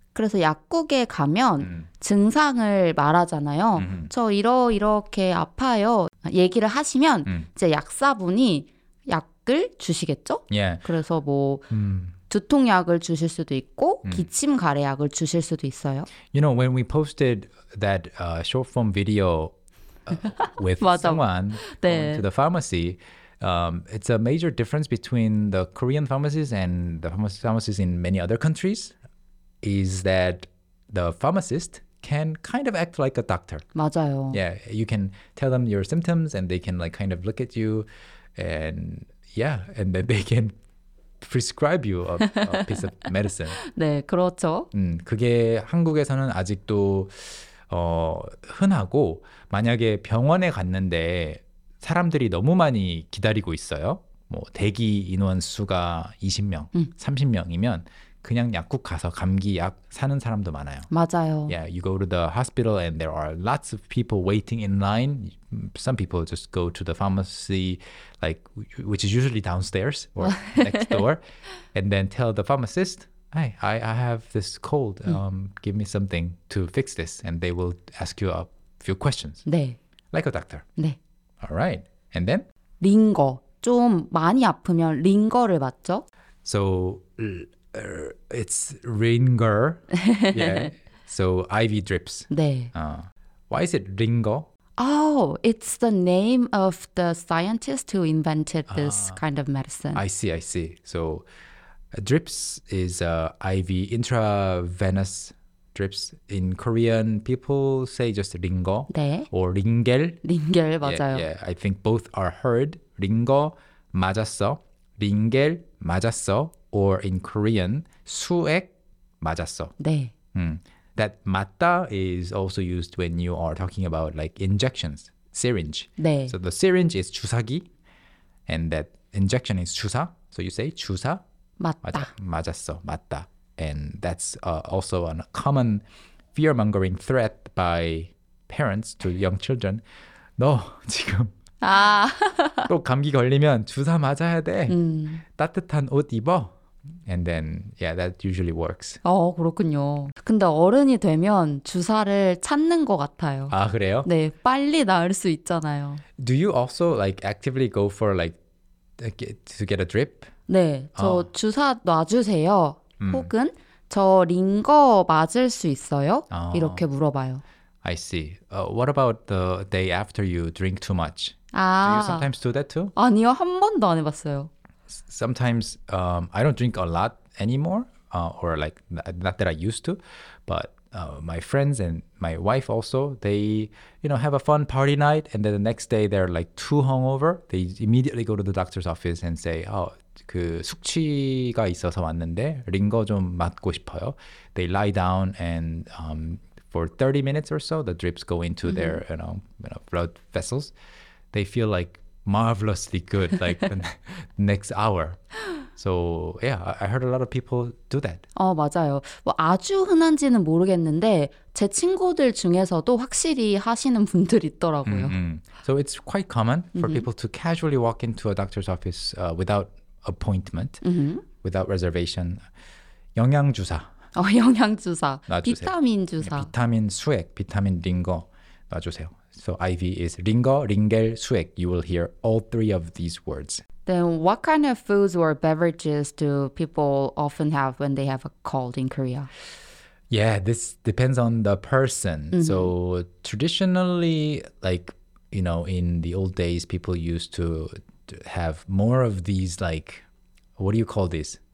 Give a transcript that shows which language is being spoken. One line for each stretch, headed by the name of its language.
Korean: 그래서 약국에 가면 증상을 말하잖아요. 저 이렇게 아파요. 얘기를 하시면 이제 약사분이 약을 주시겠죠?
English: Yeah.
Korean: 그래서 뭐... 두통약을 주실 수도 있고 기침가래약을 주실 수도 있어요.
English: You know, when we posted that short form video with someone
Korean: 네.
English: to the pharmacy, it's a major difference between the Korean pharmacies and the pharmacies in many other countries is that the pharmacist can kind of act like a doctor.
Korean: 맞아요.
English: Yeah, you can tell them your symptoms and they can like kind of look at you and yeah, and then they can prescribe you a piece of medicine.
Korean: 네, 그렇죠. 그게 한국에서는 아직도 흔하고 만약에 병원에 갔는데 사람들이 너무 많이 기다리고 있어요. 뭐 대기 인원 수가 20명, 30명이면 그냥 약국 가서 감기 약 사는 사람도 많아요. 맞아요.
English: Yeah, you go to the hospital and there are lots of people waiting in line. Some people just go to the pharmacy, like which is usually downstairs or next door, and then tell the pharmacist, "Hey, I have this cold. Give me something to fix this." And they will ask you a few questions.
Korean: 네.
English: Like a doctor.
Korean: 네.
English: All right. And then?
Korean: 링거. 좀 많이 아프면 링거를 맞죠?
English: So it's ringer. Yeah. So IV drips.
Korean: 네.
English: Why is it ringer? Oh, it's the name of the scientist who invented this kind of medicine. I see, I see. So drips is IV intravenous drips. In Korean, people say just ringer.
Korean: 네.
English: Or ringel.
Korean: Ringel, 맞아요.
English: Yeah, yeah, I think both are heard. Ringer,
Korean: 맞았어.
English: Ringel,
Korean: 맞았어.
English: Or in Korean,
Korean: 수액 맞았어. 네.
English: That 맞다 is also used when you are talking about like injections, syringe.
Korean: 네.
English: So the syringe is 주사기, and that injection is 주사. So you say 주사
Korean: 맞다. 맞았어, 맞다.
English: And that's also a common fear-mongering threat by parents to young children.
Korean: 너 지금 아. 또 감기 걸리면 주사 맞아야 돼. 따뜻한 옷 입어.
English: And then, yeah, that usually works.
Korean: 어, 그렇군요. 근데 어른이 되면 주사를 찾는 것 같아요. 아, 그래요? 네, 빨리 나을 수 있잖아요.
English: Do you also like actively go for like to get a drip?
Korean: 네, 저 주사 놔주세요. 혹은 저 링거 맞을 수 있어요? 이렇게 물어봐요.
English: I see. What about the day after you drink too much?
Korean: 아,
English: do you sometimes do that too?
Korean: 아니요, 한 번도 안 해봤어요.
English: Sometimes I don't drink a lot anymore, or like not that I used to, but my friends and my wife also, they, you know, have a fun party night, and then the next day they're like too hungover. They immediately go to the doctor's office and say, "Oh,
Korean: 그 숙취가 있어서 왔는데 링거 좀 맞고 싶어요."
English: They lie down and for 30 minutes or so, the drips go into their you know blood vessels. They feel like marvelously good, like the next hour. So yeah, I heard a lot of people do that.
Korean: 어, 맞아요. 뭐 아주 흔한지는 모르겠는데 제 친구들 중에서도 확실히 하시는 분들이 있더라고요.
English: So it's quite common for people to casually walk into a doctor's office without appointment, without reservation.
Korean: 영양주사. 어, 영양주사. 비타민 주사. 네, 비타민 수액, 비타민 링거 놔주세요.
English: So IV is 링거, 링겔, 수액. You will hear all three of these words. Then what kind of foods or beverages do people often have when they have a cold in Korea? Yeah, this depends on the person. So traditionally, like, you know, in the old days, people used to have more of these, like, what do you call this?